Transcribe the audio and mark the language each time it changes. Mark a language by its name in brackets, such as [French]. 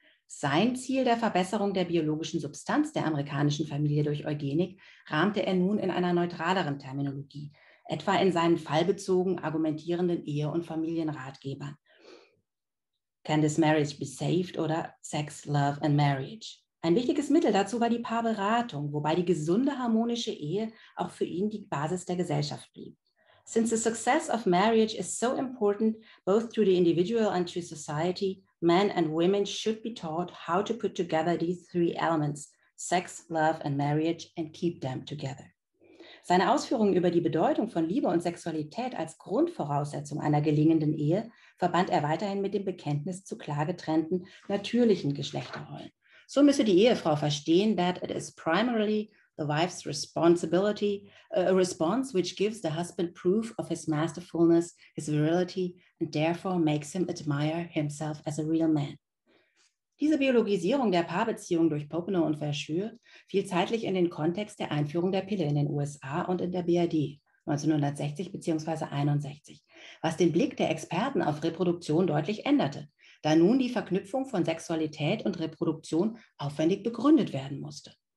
[German] Sein Ziel der Verbesserung der biologischen Substanz der amerikanischen Familie durch Eugenik rahmte er nun in einer neutraleren Terminologie, etwa in seinen fallbezogen argumentierenden Ehe- und Familienratgebern. [English] Can this marriage be saved? [German] Oder [English] Sex, Love and Marriage? [German] Ein wichtiges Mittel dazu war die Paarberatung, wobei die gesunde, harmonische Ehe auch für ihn die Basis der Gesellschaft blieb. [English] Since the success of marriage is so important, both to the individual and to society, men and women should be taught how to put together these 3 elements, sex, love and marriage, and keep them together. [German] Seine Ausführungen über die Bedeutung von Liebe und Sexualität als Grundvoraussetzung einer gelingenden Ehe verband er weiterhin mit dem Bekenntnis zu klar getrennten, natürlichen Geschlechterrollen. So müsse die Ehefrau verstehen, [English] that it is primarily the wife's responsibility, a response which gives the husband proof of his masterfulness, his virility, and therefore makes him admire himself as a real man. [German] Diese Biologisierung der Paarbeziehung durch Popenoe und Verschuer fiel zeitlich in den Kontext der Einführung der Pille in den USA und in der BRD 1960 bzw. 61, was den Blick der Experten auf Reproduktion deutlich änderte, da nun die Verknüpfung von Sexualität und Reproduktion aufwendig begründet werden musste.